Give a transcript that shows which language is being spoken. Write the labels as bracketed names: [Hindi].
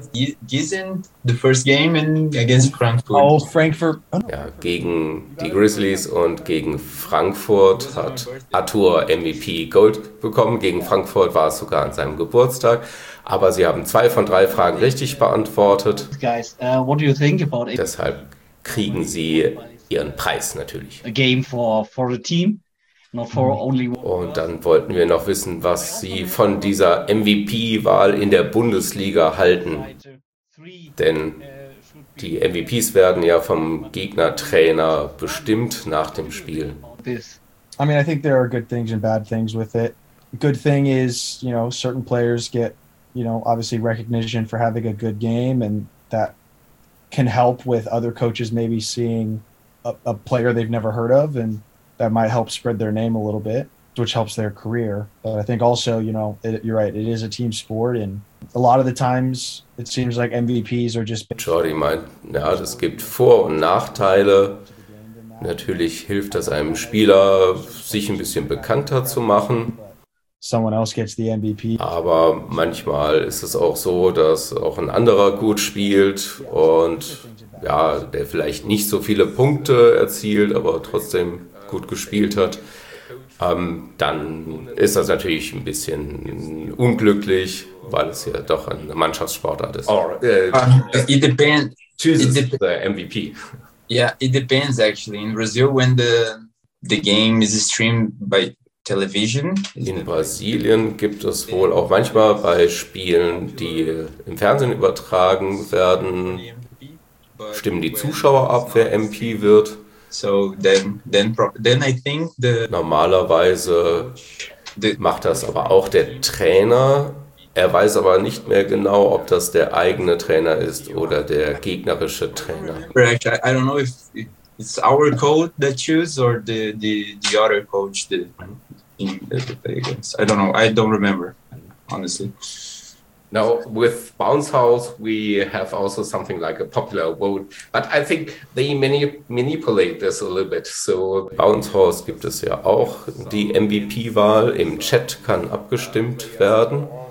[English] Gießen, the first game and against Frankfurt. Oh, Frankfurt. [German] Ja, gegen die Grizzlies und gegen Frankfurt hat Arthur MVP Gold bekommen. Gegen Frankfurt war es sogar an seinem Geburtstag. Aber sie haben zwei von drei Fragen richtig beantwortet. [English] Guys, what do you think about it? [German] Deshalb kriegen sie ihren Preis natürlich. [English] A game for the team. Not for only one. [German] Und dann wollten wir noch wissen, was Sie von dieser MVP-Wahl in der Bundesliga halten. Denn die MVPs werden ja vom Gegnertrainer bestimmt nach dem Spiel. [English] I mean, I think there are good things and bad things with it. Good thing is, you know, certain players get, you know, obviously recognition for having a good game, and that can help with other coaches maybe seeing a player they've never heard of and that might help spread their name a little bit, which helps their career. But I think also, you know, you're right, it is a team sport. And a lot of the times, it seems like MVPs are just... [German] Jordi meint, ja, es gibt Vor- und Nachteile. Natürlich hilft das einem Spieler, sich ein bisschen bekannter zu machen. [English] Someone else gets the MVP. [German] Aber manchmal ist es auch so, dass auch ein anderer gut spielt und, ja, der vielleicht nicht so viele Punkte erzielt, aber trotzdem gut gespielt hat, dann ist das natürlich ein bisschen unglücklich, weil es ja doch eine Mannschaftssportart ist. [English] It depends. Chooses the MVP. Yeah, it depends actually. In Brazil, when the game is streamed by television. [German] In Brasilien gibt es wohl auch manchmal bei Spielen, die im Fernsehen übertragen werden, stimmen die Zuschauer ab, wer MVP wird. [English] So then I think the [German] normalerweise macht das aber auch der Trainer. Er weiß aber nicht mehr genau, ob das der eigene Trainer ist oder der gegnerische Trainer. [English] I don't know if it's our coach that chooses or the other coach that in the Vegas. I don't know. I don't remember, honestly. Now, with Bounce House, we have also something like a popular vote. But I think they manipulate this a little bit. [German] So Bounce House gibt es ja auch. Die MVP-Wahl im Chat kann abgestimmt werden.